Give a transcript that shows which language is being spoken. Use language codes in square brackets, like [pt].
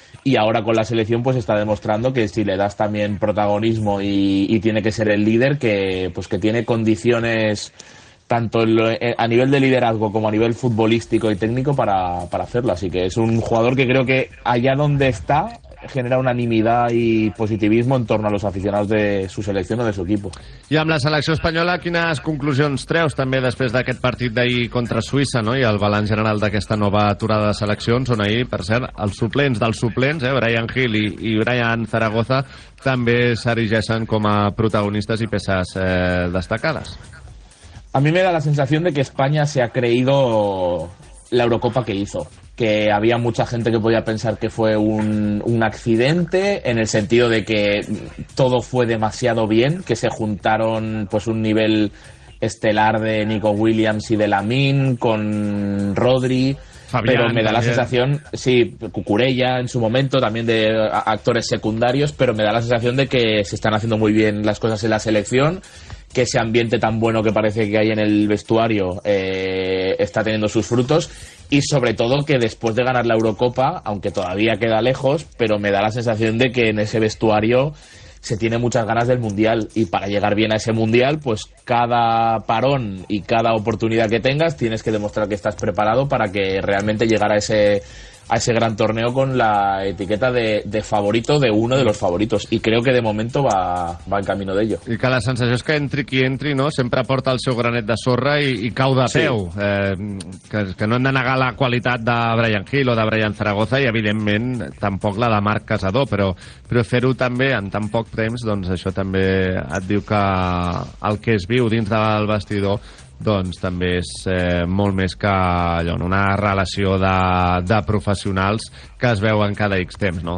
[es] Y ahora con la selección pues está demostrando que si le das también protagonismo y tiene que ser el líder, que pues que tiene condiciones tanto a nivel de liderazgo como a nivel futbolístico y técnico para hacerlo. Así que es un jugador que creo que allá donde está genera unanimidad y positivismo en torno a los aficionados de su selección o de su equipo. I amb la selecció espanyola, quines conclusions treus també després d'aquest partit d'ahir contra Suïssa, no? I el balanç general d'aquesta nova aturada de seleccions, on ahir, per cert, els suplents dels suplents, Brian Hill i Brian Zaragoza, també s'erigeixen com a protagonistes i peces destacades. A mi me da la sensación de que España se ha creído la Eurocopa que hizo. Que había mucha gente que podía pensar que fue un accidente, en el sentido de que todo fue demasiado bien, que se juntaron pues un nivel estelar de Nico Williams y de Lamine con Rodri, pero me da la sensación, sí, Cucurella en su momento, también de actores secundarios, pero me da la sensación de que se están haciendo muy bien las cosas en la selección, que ese ambiente tan bueno que parece que hay en el vestuario está teniendo sus frutos. Y sobre todo que después de ganar la Eurocopa, aunque todavía queda lejos, pero me da la sensación de que en ese vestuario se tiene muchas ganas del Mundial. Y para llegar bien a ese Mundial, pues cada parón y cada oportunidad que tengas tienes que demostrar que estás preparado para que realmente llegar a ese gran torneo con la etiqueta de favorito, de uno de los favoritos. Y creo que de momento va en camino de ello. [ca] I que la sensació és que entri qui entri, no? Sempre porta el seu granet de sorra i cau de peu. Sí. Que no hem de negar la qualitat de Brian Hill o de Brian Zaragoza i, evidentment, tampoc la de Marc Casado. Però fer-ho també en tan poc temps, doncs això també et diu que el que es viu dins del vestidor doncs també és molt més que allò, una relació de professionals que es veuen cada X temps, no?